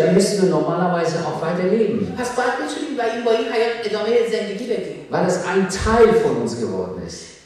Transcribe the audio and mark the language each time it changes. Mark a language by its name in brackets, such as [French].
[German] Dann müssen wir normalerweise auch weiterleben. [Persian] پس باید بتونیم با این حیات ادامه زندگی بدیم. [German] Weil es ein Teil von uns geworden ist.